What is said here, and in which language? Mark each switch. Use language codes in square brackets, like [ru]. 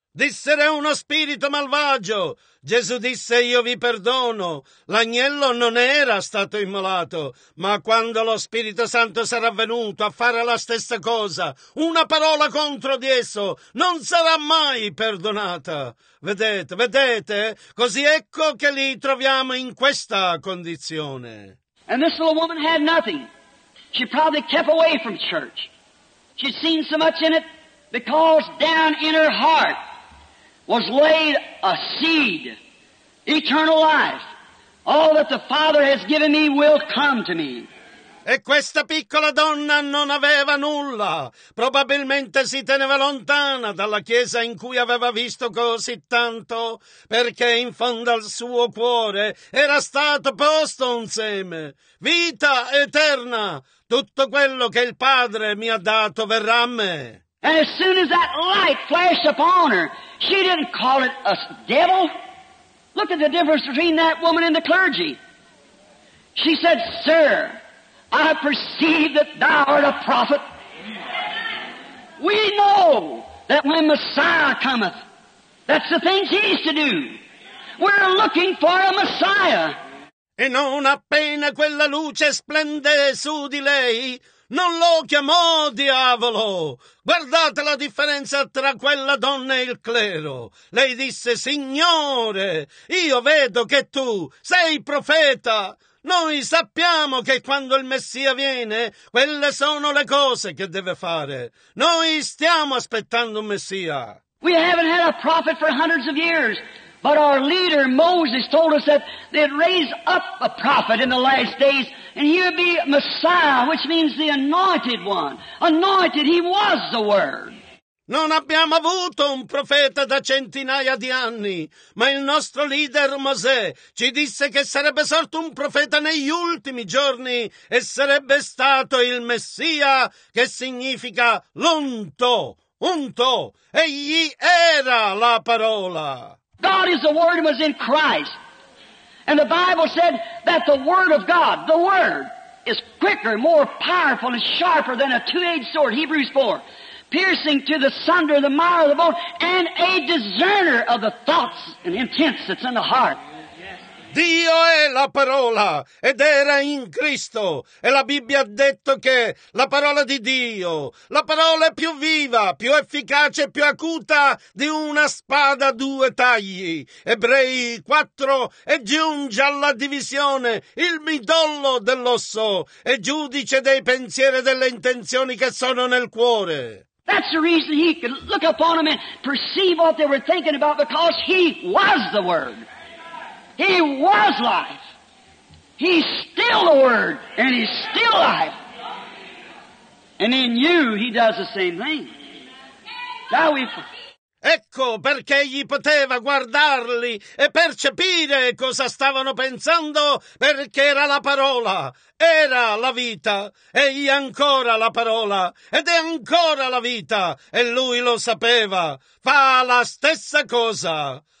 [it] Dissero uno spirito malvagio. Gesù disse, io vi perdono. L'agnello non era stato immolato, ma quando lo Spirito Santo sarà venuto a fare la stessa cosa, una parola contro di esso non sarà mai perdonata. Vedete, vedete? Così ecco che li troviamo in questa condizione. [en] And this little woman had nothing. She probably kept away from church. She'd seen so much in it because down in her heart was laid a seed, eternal life. All that the Father has given me will come to me. [it] E questa piccola donna non aveva nulla. Probabilmente si teneva lontana dalla chiesa in cui aveva visto così tanto, perché in fondo al suo cuore era stato posto un seme. Vita eterna, tutto quello che il Padre mi ha dato verrà a me. [en] And as soon as that light flashed upon her, she didn't call it a devil. Look at the difference between that woman and the clergy. She said, sir, I perceive that thou art a prophet. We know that when Messiah cometh, that's the things he used to do. We're looking for a Messiah. [it] E non appena quella luce splende su di lei, non lo chiamò diavolo. Guardate la differenza tra quella donna e il clero. Lei disse, signore, io vedo che tu sei profeta. Noi sappiamo che quando il Messia viene, quelle sono le cose che deve fare. Noi stiamo aspettando un Messia. [en] We haven't had a prophet for hundreds of years, but our leader Moses told us that they'd raise up a prophet in the last days, and he would be Messiah, which means the anointed one. Anointed, he was the Word. [it] Non abbiamo avuto un profeta da centinaia di anni, ma il nostro leader Mosè ci disse che sarebbe sorto un profeta negli ultimi giorni e sarebbe stato il Messia, che significa l'unto, unto. Egli era la parola. [en] God is the Word was in Christ. And the Bible said that the Word of God, the Word, is quicker, more powerful, and sharper than a two-edged sword, Hebrews 4. Piercing to the sunder, the marrow of the bone, and a discerner of the thoughts and intents that's in the heart. [it] Dio è la parola, ed era in Cristo, e la Bibbia ha detto che la parola di Dio, la parola è più viva, più efficace, più acuta di una spada a due tagli. Ebrei 4, e giunge alla divisione, il midollo dell'osso, e giudice dei pensieri e delle intenzioni che sono nel cuore. [en] That's the reason he could look upon them and perceive what they were thinking about, because he was the Word. He was life. He's still the Word, and he's still life. And in you, he does the same thing. That we... [it] Ecco perché egli poteva guardarli e percepire cosa stavano pensando, perché era la parola, era la vita, egli è ancora la parola, ed è ancora la vita, e lui lo sapeva, fa la stessa cosa.